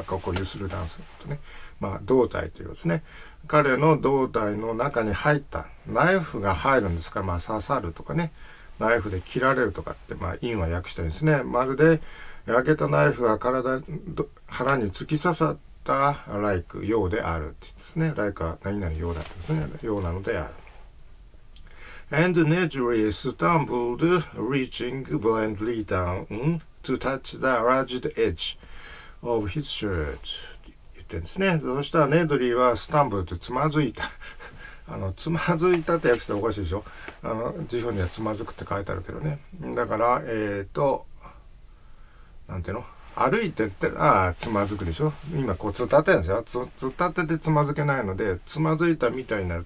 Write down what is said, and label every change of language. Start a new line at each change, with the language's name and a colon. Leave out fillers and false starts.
Japanese: なんかこう揺するダンスのことね。まあ胴体ということですね。彼の胴体の中に入った。ナイフが入るんですから、まあ刺さるとかね。ナイフで切られるとかって、まあ、インは訳したんですね。まるで、焼けたナイフが体、腹に突き刺さった、ライク、ようであるって言うんですね。ライクは何々ようだってですね。ようなのである。
English: And Nedry stumbled, reaching blindly down to touch the ragged edge of his shirt.
Japanese: 言ってんですね。そしたら、ネドリーは、スタンブルってつまずいた。つまずいたって訳したらおかしいでしょ。辞書にはつまずくって書いてあるけどね。だから、なんていうの、歩いてって、ああ、つまずくでしょ。今、こう、突っ立てるんですよ。突っ立ててつまずけないので、つまずいたみたいになる。